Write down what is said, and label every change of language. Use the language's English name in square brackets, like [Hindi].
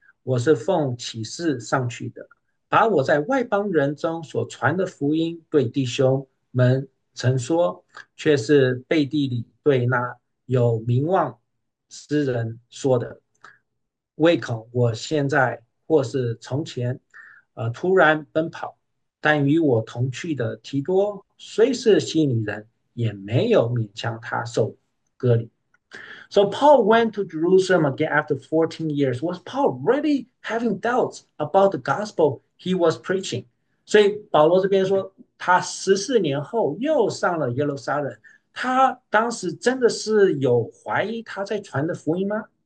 [Chinese] 我是奉启示上去的，把我在外邦人中所传的福音对弟兄们曾说，却是背地里对那有名望之人说的。唯恐我现在或是从前，突然奔跑，但与我同去的提多虽是希尼人，也没有勉强他受割礼。 [English] So Paul went to Jerusalem again after 14 years. Was Paul really having doubts about the gospel he was preaching? [Chinese] 所以保罗这边说，他14年后又上了耶路撒冷，他当时真的是有怀疑他在传的福音吗？